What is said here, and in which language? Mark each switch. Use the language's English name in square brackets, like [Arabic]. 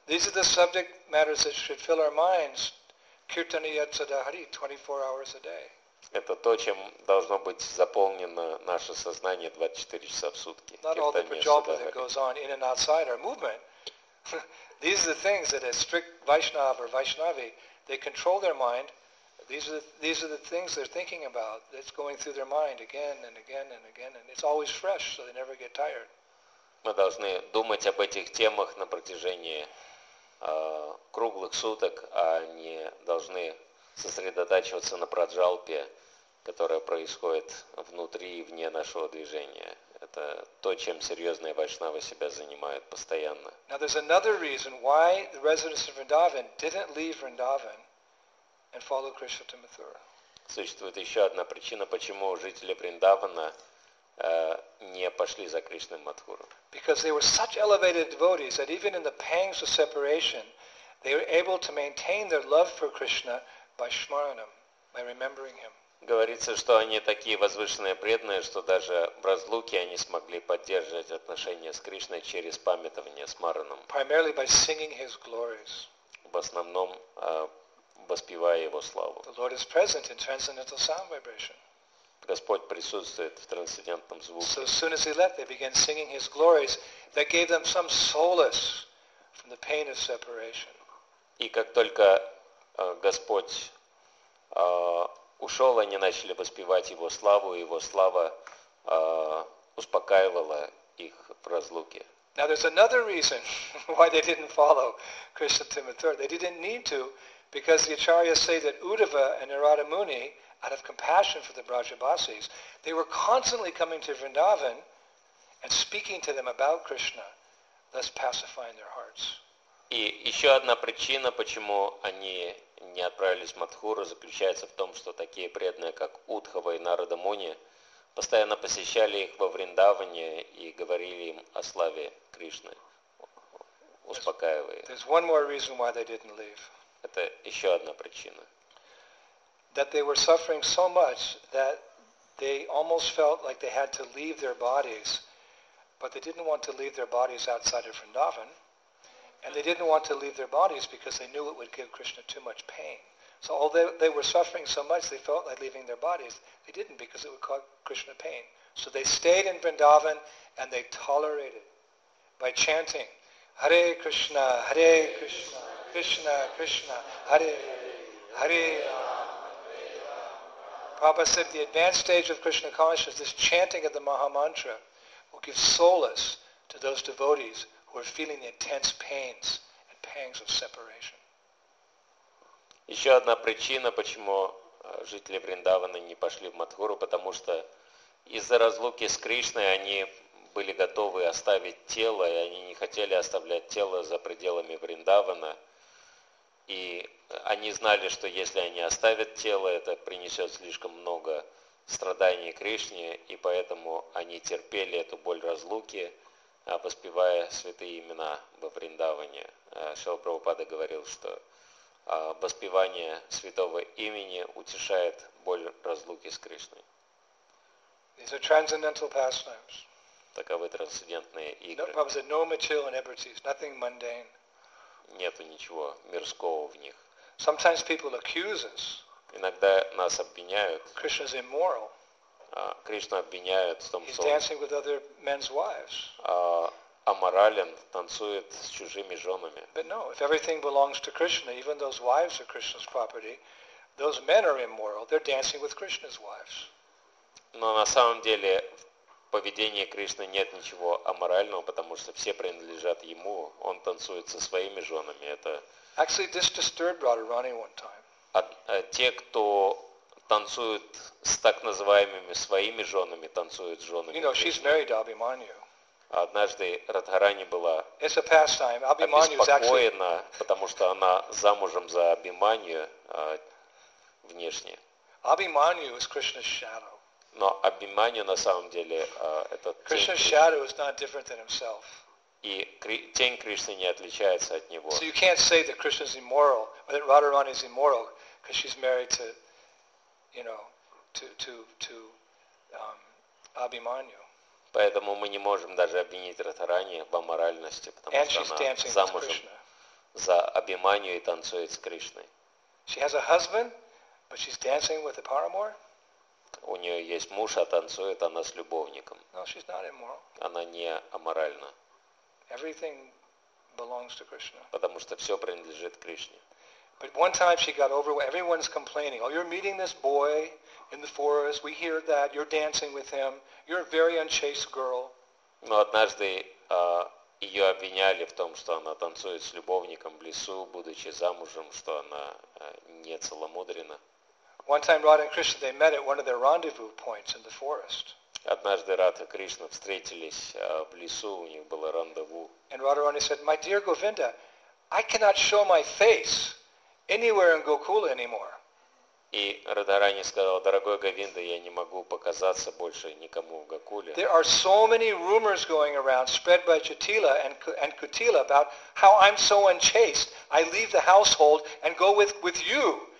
[English] These are the subject matters that should fill our minds, [Sanskrit] kirtaniya sadahari, [English] 24 hours a day. [Russian] Это то, чем должно быть заполнено наше сознание 24 часа в сутки. [English] Not all the prajapa that goes on in and outside our movement. These are the things that a strict Vaishnava or Vaishnavi, they control their mind. These are the things they're thinking about that's going through their mind again and again and again, and it's always fresh, so they never get tired. [Russian] Мы должны думать об этих темах на протяжении круглых суток, а не должны сосредотачиваться на праджалпе, которая происходит внутри и вне нашего движения. Это то, чем серьезные вайшнавы себя занимают постоянно. [English] Now there's another reason why the residents of Vrindavan didn't leave Vrindavan and follow Krishna to Mathura. [Russian] Существует еще одна причина, почему жители Вриндавана не пошли за Кришной в Матхуру. [English] Because they were such elevated devotees that even in the pangs of separation, they were able to maintain their love for Krishna by smaranam, by remembering him. [Russian] Говорится, что они такие возвышенные преданные, что даже в разлуке они смогли поддерживать отношения с Кришной через памятование смаранам. [English] Primarily by singing his glories. [Russian] В основном воспевая его славу. [English] The Lord is present in transcendental sound vibration. [Russian] Господь присутствует в трансцендентном звуке. [English] So as soon as he left, they began singing his glories that gave them some solace from the pain of separation. [Russian] И как только Господь ушел, они начали воспевать его славу, и его слава успокаивала их в разлуке. [English] Now there's another reason why they didn't follow Krishna to Mathura. They didn't need to. Because the acharyas say that Uddhava and Narada Muni, out of compassion for the Brajabasis, they were constantly coming to Vrindavan and speaking to them about Krishna, thus pacifying their hearts. [Russian] И еще одна причина, почему они не отправились в Матхуру, заключается в том, что такие преданные, как Уддхава и Нарада Муни, постоянно посещали их во Вриндаване и говорили им о славе Кришны, успокаивая их. [English] There's one more reason why they didn't leave. [Russian] Это еще одна причина. [English] That they were suffering so much that they almost felt like they had to leave their bodies, but they didn't want to leave their bodies outside of Vrindavan, and they didn't want to leave their bodies because they knew it would give Krishna too much pain. So although they were suffering so much, they felt like leaving their bodies. They didn't because it would cause Krishna pain. So they stayed in Vrindavan and they tolerated by chanting, Hare Krishna, Hare Krishna. [Sanskrit] Krishna, Krishna, Hare, Hare Rama. [English] Prabhupada said the advanced stage of Krishna consciousness, this chanting of the Maha Mantra, will give solace to those devotees who are feeling the intense pains and pangs of separation. [Russian] Еще одна причина, почему жители Вриндавана не пошли в Матхуру, потому что из-за разлуки с Кришной они были готовы оставить тело, и они не хотели оставлять тело за пределами Вриндавана. И они знали, что если они оставят тело, это принесет слишком много страдания Кришне, и поэтому они терпели эту боль разлуки, воспевая святые имена во Вриндаване. Шрила Прабхупада говорил, что воспевание святого имени утешает боль разлуки с Кришной. [English] These are transcendental pastimes. [Russian] Таковы трансцендентные игры. [English] No, Prabhupada said, no material inebrities, nothing mundane. [Russian] Нету ничего мирского в них. [English] Sometimes people accuse us. [Russian] Иногда нас обвиняют. [English] Krishna's immoral. [Russian] Кришну обвиняют в том, что [English] he's dancing with other men's wives. [Russian] Аморален, танцует с чужими женами. [English] But no, if everything belongs to Krishna, even those wives are Krishna's property, those men are immoral. They're dancing with Krishna's wives. [Russian] Но на самом деле в поведении Кришны нет ничего аморального, потому что все принадлежат ему. Он танцует со своими женами. Это [English] actually, this disturbed Radharani one time. [Russian] Те, кто танцуют с так называемыми своими женами, танцуют с женами. [English] You know, she's married to Abhimanyu. [Russian] Однажды Радхарани была [English] it's a pastime. Abhimanyu [Russian] обеспокоена, [English] is actually [Russian] потому что она замужем за Абиманью внешне. [English] Abhimanyu is Krishna's shadow. [Russian] Но Абиманью на самом деле это [English] Krishna's shadow is not different than himself. [Russian] И тень Кришны не отличается от него. [English] So you can't say that Krishna's immoral or that Radharani is immoral because she's married to, you know, to Abhimanyu. [Russian] Поэтому мы не можем даже обвинить Радхарани в аморальности, потому [English] and [Russian] что она замужем за Абиманью и танцует с Кришной. [English] She has a husband, but she's dancing with a paramour. [Russian] У нее есть муж, а танцует она с любовником. [English] No, she's not immoral. [Russian] Она не аморальна. [English] Everything belongs to Krishna. [Russian] Потому что все принадлежит Кришне. [English] But one time she got over. Everyone's complaining. Oh, you're meeting this boy in the forest. We hear that you're dancing with him. You're a very unchaste girl. [Russian] Но однажды ее обвиняли в том, что она танцует с любовником в лесу, будучи замужем, что она не целомудрена. [English] One time Radha and Krishna they met at one of their rendezvous points in the forest. [Russian] Однажды Радха и Кришна встретились в лесу, у них было рандеву. [English] And Radharani said, "My dear Govinda, I cannot show my face anywhere in Gokula anymore." [Russian] И Радхарани сказала, дорогой Говинда, я не могу показаться больше никому в Гокуле. [English] There are so many rumors going around, spread by Chatila and Kutila, about how I'm so unchaste. I leave the household and go with you.